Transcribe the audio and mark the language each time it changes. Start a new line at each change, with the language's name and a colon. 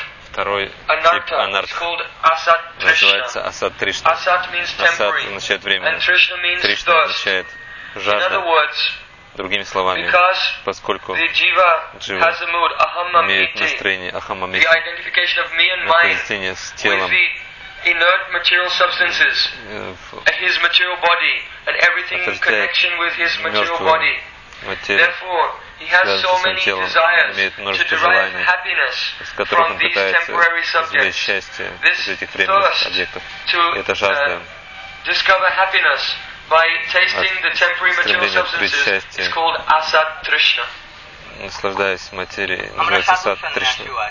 Russian: Второй тип анартха называется Асат Тришна. Асат означает время. Тришна означает жажда. Другими словами, поскольку джива имеет настроение ахамамити, соединение с телом,
English: inert material substances, his material body, and everything in connection with his material body. Therefore, he has so many desires to derive happiness from these temporary subjects. This thirst to discover happiness by tasting the temporary material substances is called Asat Trishna.
Russian: Наслаждаясь материей, называется Асат Тришна.